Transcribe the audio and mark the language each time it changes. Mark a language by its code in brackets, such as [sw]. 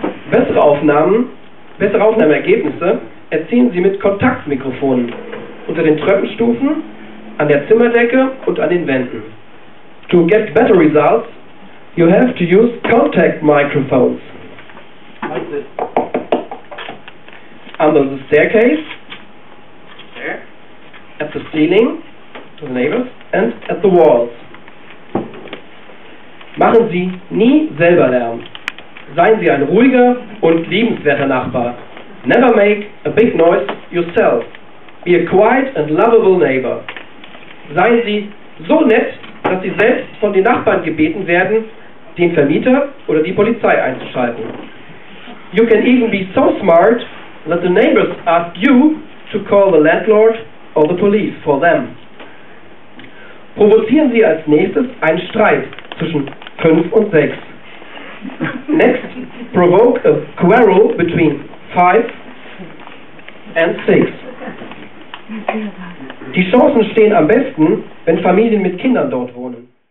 [de] Bessere Aufnahmeergebnisse erzielen Sie mit Kontaktmikrofonen unter den Treppenstufen, an der Zimmerdecke und an den Wänden. [en] To get better results, you have to use contact microphones. Under the staircase, there. At the ceiling, to the neighbors, and at the walls. [de] Machen Sie nie selber Lärm. Seien Sie ein ruhiger und liebenswerter Nachbar. [en] Never make a big noise yourself. Be a quiet and lovable neighbor. [de] Seien Sie so nett, dass Sie selbst von den Nachbarn gebeten werden, den Vermieter oder die Polizei einzuschalten. [en] You can even be so smart that the neighbors ask you to call the landlord or the police for them. [de] Provozieren Sie als nächstes einen Streit zwischen 5 und 6. [en] Next, provoke a quarrel between 5 and 6. [de] Die Chancen stehen am besten, wenn Familien mit Kindern dort wohnen.